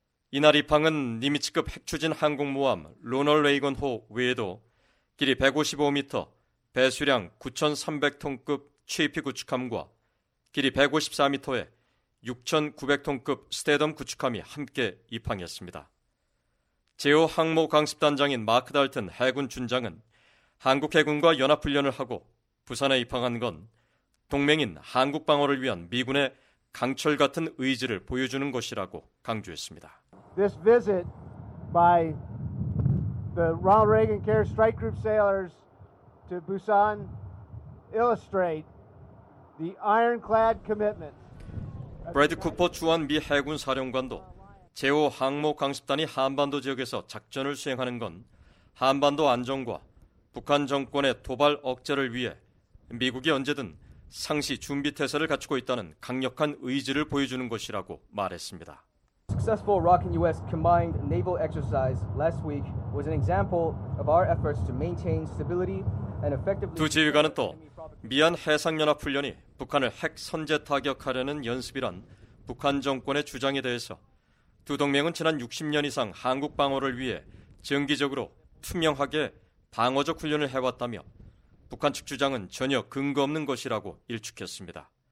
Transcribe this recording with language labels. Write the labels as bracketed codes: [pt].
[ko] 이날 입항은 니미츠급 핵추진 항공모함 로널 레이건호 외에도 길이 155m, 배수량 9,300톤급 CP 구축함과 길이 154m의 6,900톤급 스테덤 구축함이 함께 입항했습니다. 제5 항모 강습단장인 마크 달튼 해군 준장은 한국 해군과 연합훈련을 하고 부산에 입항한 건 동맹인 한국 방어를 위한 미군의 강철 같은 의지를 보여주는 것이라고 강조했습니다. [en] This visit by the Ronald Reagan Carrier Strike Group sailors to Busan illustrate the ironclad commitment. [ko] 브래드 쿠퍼 주한 미 해군 사령관도 제5 항모 강습단이 한반도 지역에서 작전을 수행하는 건 한반도 안정과 북한 정권의 도발 억제를 위해 미국이 언제든 상시 준비 태세를 갖추고 있다는 강력한 의지를 보여주는 것이라고 말했습니다. [en] Successful ROK and US combined naval exercise last week was an example of our efforts to maintain stability and effectively. [ko] 두 지휘관은 또 미한 해상연합훈련이 북한을 핵 선제 타격하려는 연습이란 북한 정권의 주장에 대해서 두 동맹은 지난 60년 이상 한국 방어를 위해 정기적으로 투명하게 방어적 훈련을 해왔다며 북한 측 주장은 전혀 근거 없는 것이라고 일축했습니다.